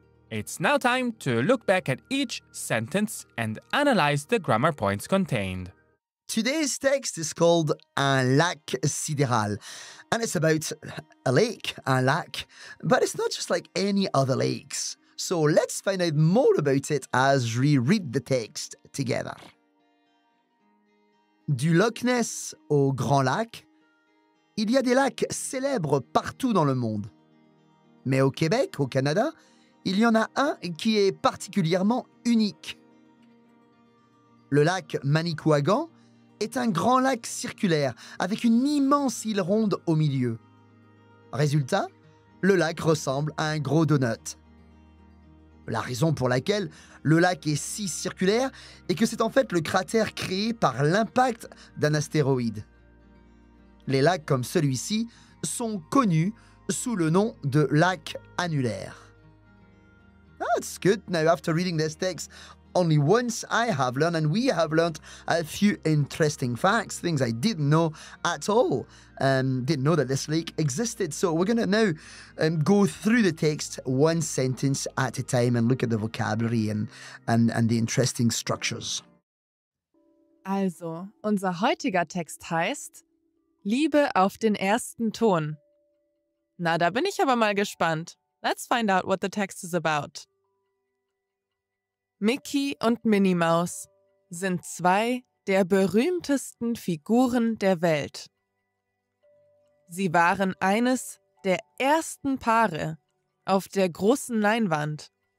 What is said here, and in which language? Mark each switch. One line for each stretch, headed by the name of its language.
English: It's now time to look back at each sentence and analyze the grammar points contained. Today's text is called
French: Un lac sidéral,
English: and it's about a lake, un lac, but it's not just like any other lakes. So let's find out more about it as we read the text together.
French: Du Loch Ness au Grand Lac, il y a des lacs célèbres partout dans le monde. Mais au Québec, au Canada, il y en a un qui est particulièrement unique. Le lac Manicouagan est un grand lac circulaire avec une immense île ronde au milieu. Résultat, le lac ressemble à un gros donut. La raison pour laquelle le lac est si circulaire est que c'est en fait le cratère créé par l'impact d'un astéroïde. Les lacs comme celui-ci sont connus sous le nom de lac annulaire.
English: That's good. Now, after reading this text, only once I have learned and we have learned a few interesting facts, things I didn't know at all, didn't know that this lake existed. So we're going to now go through the text one sentence at a time and look at the vocabulary and the interesting structures.
German: Also, unser heutiger Text heißt Liebe auf den ersten Ton. Na, da bin ich aber mal gespannt.
English: Let's find out what the text is about.
German: Mickey und Minnie Maus sind zwei der berühmtesten Figuren der Welt. Sie waren eines der ersten Paare auf der großen Leinwand.